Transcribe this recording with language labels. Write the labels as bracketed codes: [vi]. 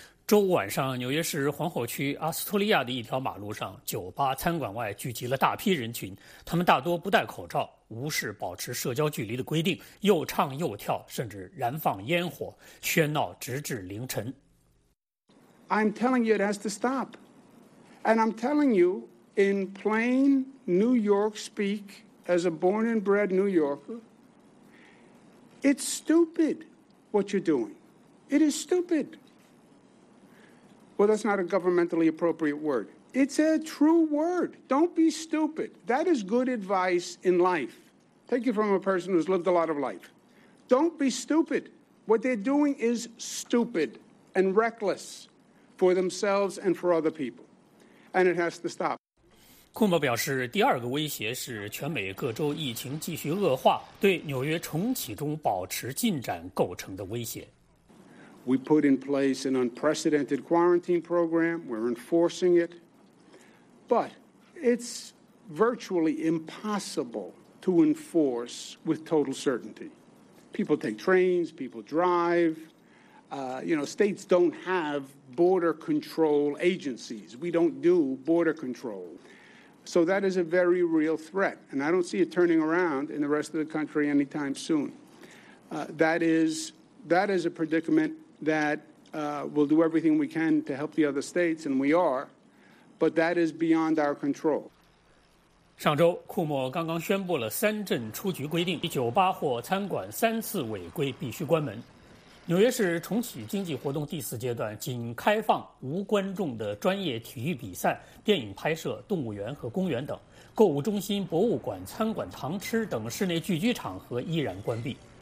[zh] 周五晚上，纽约市皇后区阿斯托利亚的一条马路上，酒吧、餐馆外聚集了大批人群，他们大多不戴口罩，无视保持社交距离的规定，又唱又跳，甚至燃放烟火，喧闹直至凌晨。 [en] I'm telling you it has to stop. And I'm telling you in plain New York speak as a born and bred New Yorker,It's stupid what you're doing. It is stupid. Well, that's not a governmentally appropriate word. It's a true word. Don't be stupid. That is good advice in life. Take it from a person who's lived a lot of life. Don't be stupid. What they're doing is stupid and reckless for themselves and for other people. And it has to stop. [zh] 库莫表示，第二个威胁是全美各州疫情继续恶化，对纽约重启中保持进展构成的威胁。 [en] We put in place an unprecedented quarantine program. We're enforcing it. But it's virtually impossible to enforce with total certainty. People take trains, people drive. States don't have border control agencies. We don't do border control. So that is a very real threat, and I don't see it turning around in the rest of the country anytime soon. That is a predicament that we'll do everything we can to help the other states, and we are, but that is beyond our control. [zh] 上周，库莫刚刚宣布了三镇出局规定，酒吧或餐馆三次违规必须关门。纽约市重启经济活动第四阶段，仅开放无观众的专业体育比赛、电影拍摄、动物园和公园等，购物中心、博物馆、餐馆、堂吃等室内聚居场合依然关闭。